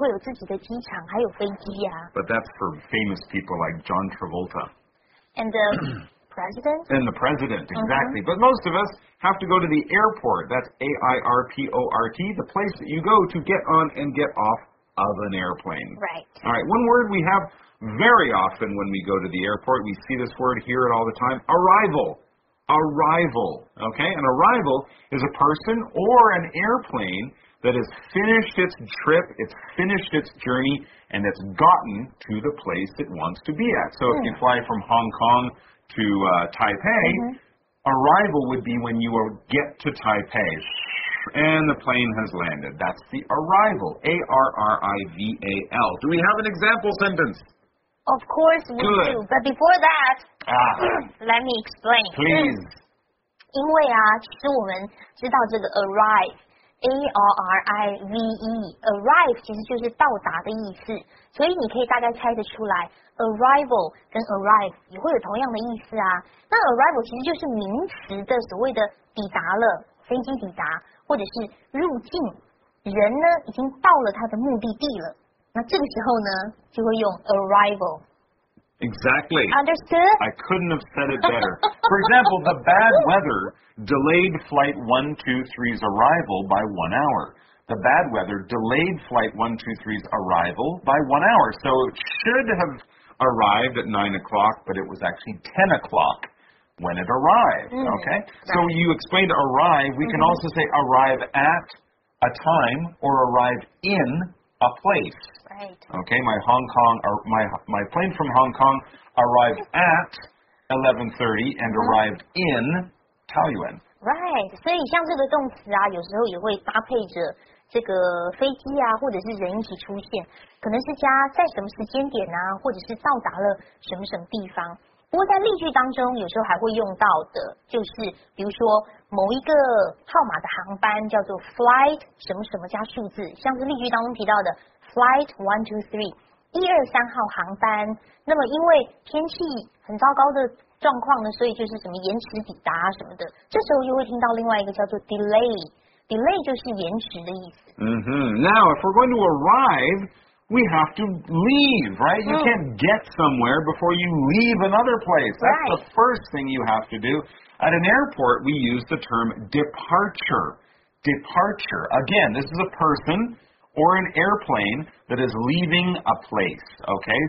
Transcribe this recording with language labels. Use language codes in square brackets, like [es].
[zh] 我没有想过，如果你真的很有钱，自己会有自己的机场，还有飞机呀。 [en] But that's for famous people like John Travolta. And the president? And the president, exactly. Mm-hmm. But most of us have to go to the airport. That's A-I-R-P-O-R-T, the place that you go to get on and get off of an airplane. Right. All right, one word we have very often when we go to the airport, we see this word, hear it all the time, arrival. Arrival, okay? An arrival is a person or an airplane that has finished its trip, it's finished its journey, and it's gotten to the place it wants to be at. So if you fly from Hong Kong to Taipei, arrival would be when you get to Taipei, and the plane has landed. That's the arrival, A-R-R-I-V-A-L. Do we have an example sentence? Of course we Good. Do, but before that, let me explain. Please. [zh] 因为其实我们知道这个 arrive, A-R-R-I-V-E, arrive 其实就是到达的意思, 所以你可以大概猜得出来, arrival 跟 arrive 也会有同样的意思啊, 那 arrival 其实就是名词的所谓的抵达了, 飞机抵达, 或者是入境, 人呢已经到了他的目的地了, 那这个时候呢，就会用 arrival。 [en] Exactly. Understood? I couldn't have said it better. For example, the bad weather delayed flight 123's arrival by 1 hour. The bad weather delayed flight 123's arrival by 1 hour. So it should have arrived at 9 o'clock, but it was actually 10 o'clock when it arrived. Mm-hmm. Okay? So you explained arrive. We can also say arrive at a time or arrive in a place. Right. Okay, my Hong Kong, or my plane from Hong Kong arrived at 11:30 and arrived in Taoyuan. [zh] Right, 所以像这个动词啊，有时候也会搭配着这个飞机啊，或者是人一起出现，可能是加在什么时间点啊，或者是到达了什么什么地方。不过在例句当中，有时候还会用到的，就是比如说某一个号码的航班叫做 flight 什么什么加数字，像是例句当中提到的 flight 123，一二三号航班。那么因为天气很糟糕的状况呢，所以就是什么延迟抵达什么的。这时候又会听到另外一个叫做 delay 就是延迟的意思。 Mm-hmm. [en] Now if we're going to arrive. We have to leave, right? You can't get somewhere before you leave another place. That's the first thing you have to do. At an airport, we use the term departure. Departure. Again, this is a person or an airplane that is leaving a place, okay?